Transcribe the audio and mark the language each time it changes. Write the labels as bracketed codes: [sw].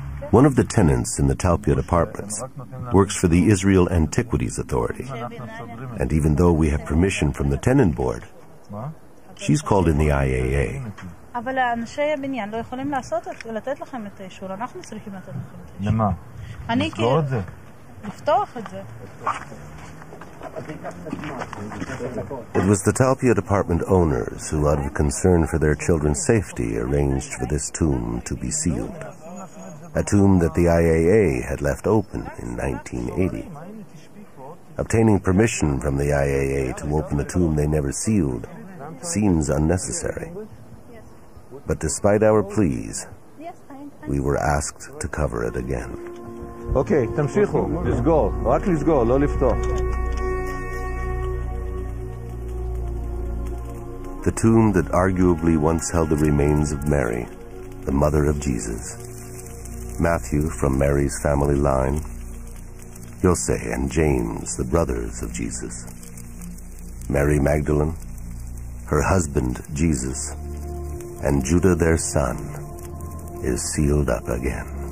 [en] One of the tenants in the Talpiot apartments works for the Israel Antiquities Authority. And even though we have permission from the tenant board, she's called in the IAA. [he] אבל אנשי הבניין לא יכולים לעשות את זה, לתת לכם את האישור, אנחנו צריכים לתת לכם את האישור. למה? אני כאילו... לפתוח את זה. לפתוח את זה. [en] It was the Talpiot apartment owners who, out of concern for their children's safety, arranged for this tomb to be sealed. A tomb that the IAA had left open in 1980. Obtaining permission from the IAA to open the tomb they never sealed seems unnecessary. But despite our pleas, we were asked to cover it again. [he] Okay, תמשיכו, לסגור, רק לסגור, לא לפתוח. [en] The tomb that arguably once held the remains of Mary, the mother of Jesus, Matthew from Mary's family line, Jose and James, the brothers of Jesus, Mary Magdalene, her husband Jesus, and Judah, their son, is sealed up again.